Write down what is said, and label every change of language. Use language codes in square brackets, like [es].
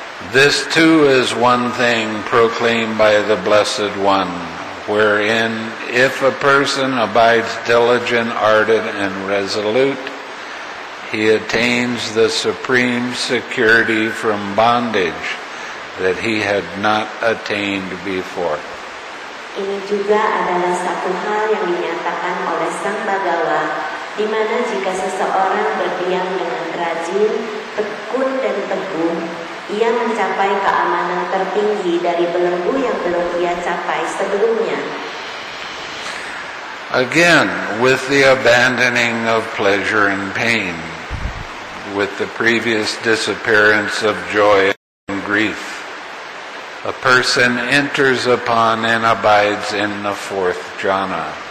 [en] This too is one thing proclaimed by the Blessed One, wherein if a person abides diligent, ardent, and resolute, he attains the supreme security from bondage that he had not attained before. [id] Ini juga adalah satu hal yang dinyatakan oleh Sang Bhagawa, di mana jika seseorang berdiam dengan rajin, tekun, dan teguh, ia mencapai keamanan tertinggi dari belenggu yang belum ia capai sebelumnya. [en] Again, with the abandoning of pleasure and pain, with the previous disappearance of joy and grief, a person enters upon and abides in the fourth jhana.